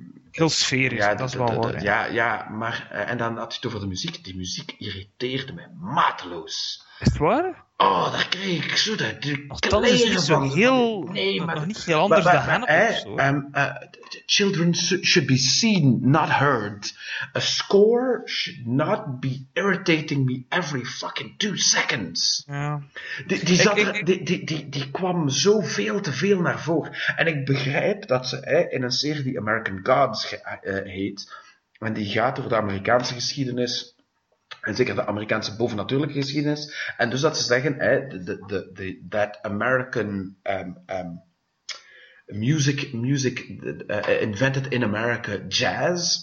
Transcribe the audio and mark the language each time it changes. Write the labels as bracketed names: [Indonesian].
[Dutch] heel sferisch, ja, dat is wel waar. En dan had je het over de muziek. Die muziek irriteerde mij mateloos. Is het waar? Oh, daar kreeg ik zo de kleren van. Dat is zo heel... Nee, maar... Nog niet heel anders dan [English] Children should be seen, not heard. A score should not be irritating me every fucking 2 seconds. [Dutch] Ja. Die kwam zo veel te veel naar voren. En ik begrijp dat ze in een serie die American Gods heet, en die gaat over de Amerikaanse geschiedenis, En zeker de Amerikaanse bovennatuurlijke geschiedenis. En dus dat ze zeggen, dat [English] American music invented in America jazz.